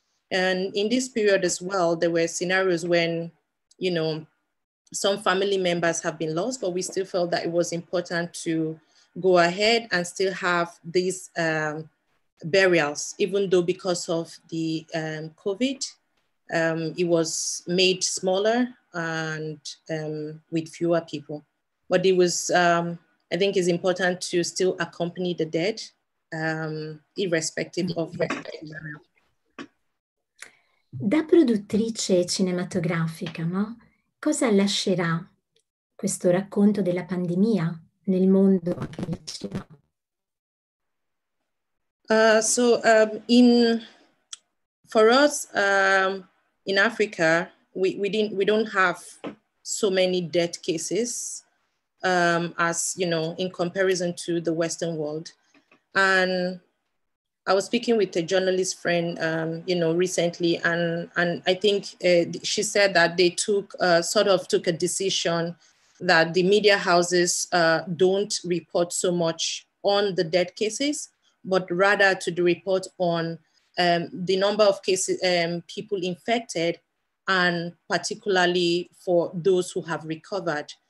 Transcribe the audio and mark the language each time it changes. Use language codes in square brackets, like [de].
[en] And in this period as well, there were scenarios when, you know, some family members have been lost, but we still felt that it was important to go ahead and still have these burials, even though because of the COVID, it was made smaller and with fewer people. But it was, I think it's important to still accompany the dead, irrespective of their burial. [it] Da produttrice cinematografica, no? Cosa lascerà questo racconto della pandemia nel mondo che vicino? [en] In Africa, we don't have so many death cases as, you know, in comparison to the Western world. And I was speaking with a journalist friend, you know, recently, and I think she said that they took a decision that the media houses don't report so much on the death cases, but rather to report on the number of cases, people infected, and particularly for those who have recovered.